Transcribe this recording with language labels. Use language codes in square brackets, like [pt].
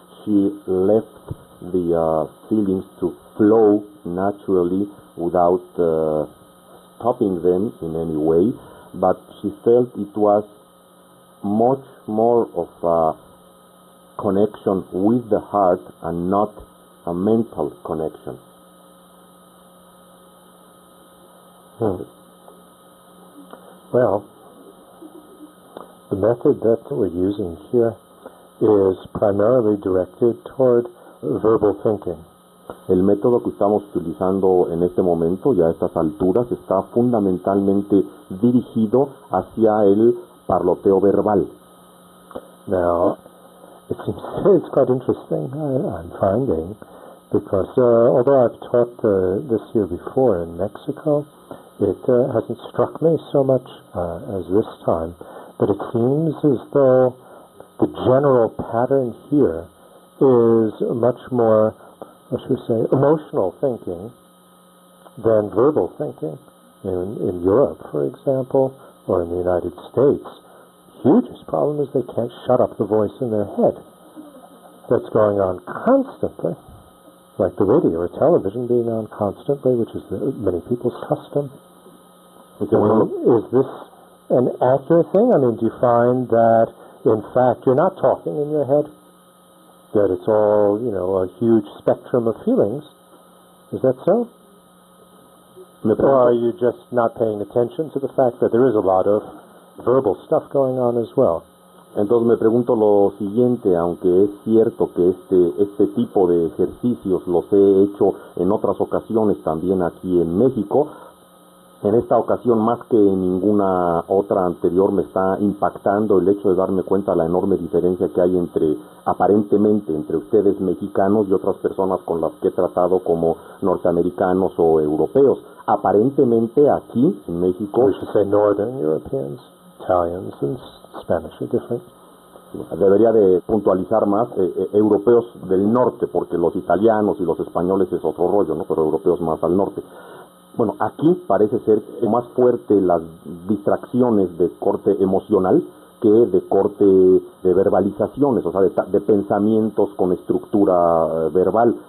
[en] She left the feelings to flow naturally without stopping them in any way, but she felt it was much more of a connection with the heart and not a mental connection. Well, the method that we're using here is primarily directed toward verbal thinking. [es] El método que estamos utilizando en este momento y a estas alturas está fundamentalmente dirigido hacia el parloteo verbal. [en] Now, it seems it's quite interesting, I'm finding, because although I've taught this year before in Mexico, it hasn't struck me so much as this time, but it seems as though the general pattern here is much more, I should say, emotional thinking than verbal thinking in Europe, for example, or in the United States, the hugest problem is they can't shut up the voice in their head that's going on constantly, like the radio or television being on constantly, which is many people's custom. Is this an accurate thing? I mean, do you find that, in fact, you're not talking in your head, that it's all, you know, a huge spectrum of feelings? Is that so? Or are you just not paying attention to the fact that there is a lot of verbal stuff going on as well? [es] Entonces me pregunto lo siguiente, aunque es cierto que este tipo de ejercicios los he hecho en otras ocasiones también aquí en México, en esta ocasión más que en ninguna otra anterior me está impactando el hecho de darme cuenta de la enorme diferencia que hay aparentemente entre ustedes mexicanos y otras personas con las que he tratado como norteamericanos o europeos. Aparentemente aquí en México... [en] We should say northern Europeans, Italians and Spanish are different. [es] Debería de puntualizar más europeos del norte, porque los italianos y los españoles es otro rollo, ¿no? Pero europeos más al norte. Bueno, aquí parece ser más fuerte las distracciones de corte emocional que de corte de verbalizaciones, o sea, de pensamientos con estructura verbal.